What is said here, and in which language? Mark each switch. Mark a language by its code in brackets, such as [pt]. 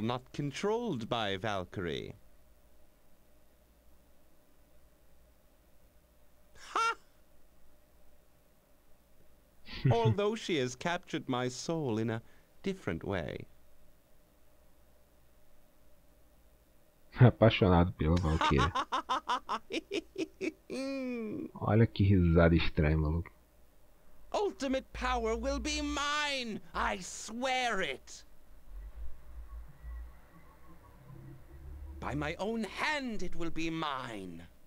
[en] Not controlled by Valkyrie. Although she has captured my soul in a different way. [pt] Apaixonado pela Valkyrie. Olha que risada estranha, maluco. [en] Ultimate power will be mine, I swear it. By my own hand it will be mine.